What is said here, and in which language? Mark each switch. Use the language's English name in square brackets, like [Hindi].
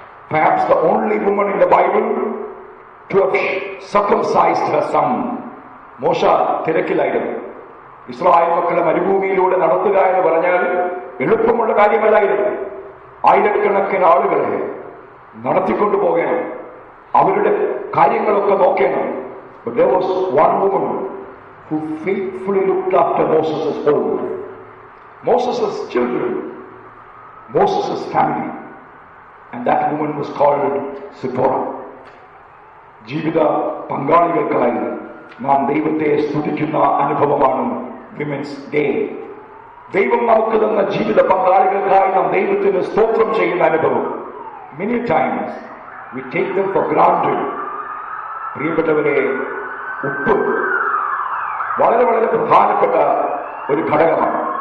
[English] Perhaps the only woman in the Bible to have circumcised her son. [Malayalam] മോശ തിരക്കിലായിരുന്നു. Israel മക്കളെ മരുഭൂമിയിലൂടെ നടത്തുക എന്ന് പറഞ്ഞാൽ എളുപ്പമുള്ള കാര്യമല്ലായിരുന്നു. ആയിരക്കണക്കിന് ആളുകളെ നടത്തിക്കൊണ്ടു പോകണം, അവരുടെ കാര്യങ്ങളൊക്കെ നോക്കണം. [English] But there was one woman who faithfully looked after Moses' home, Moses' children, Moses' family, and that woman was called Sipporah. [Malayalam] ജീവിത പങ്കാളികൾക്കായി നാം ദൈവത്തെ സ്തുതിക്കുന്ന അനുഭവമാണ് വിമൻസ് ഡേ. ദൈവം നമുക്ക് തന്ന ജീവിത പങ്കാളികൾക്കായി നാം ദൈവത്തിന് സ്തോത്രം ചെയ്യുന്ന അനുഭവം. [English] Many times we take them for granted. [Malayalam] പ്രിയപ്പെട്ടവരെ, ഉപ്പ് വളരെ വളരെ പ്രധാനപ്പെട്ട ഒരു ഘടകമാണ്.